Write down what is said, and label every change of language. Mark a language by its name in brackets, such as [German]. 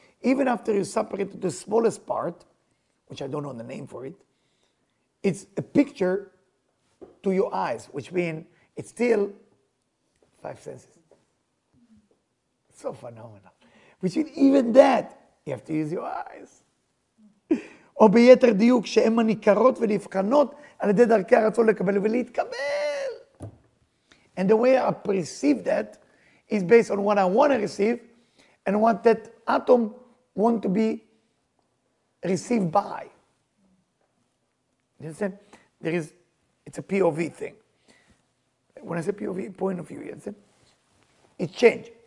[English] Even after you separate the smallest part, which I don't know the name for it, it's a picture to your eyes, which means it's still five senses. So phenomenal. Which means even that, you have to use your eyes. [Hebrew] או ביתר דיוק, שהן מניכרות ונבחנות על ידי דרכי הרצון לקבל ולהתקבל. [English] And the way I perceive that is based on what I want to receive and what that atom want to be received by. You understand? There is, it's a POV thing. When I say POV, point of view, you understand? It changed.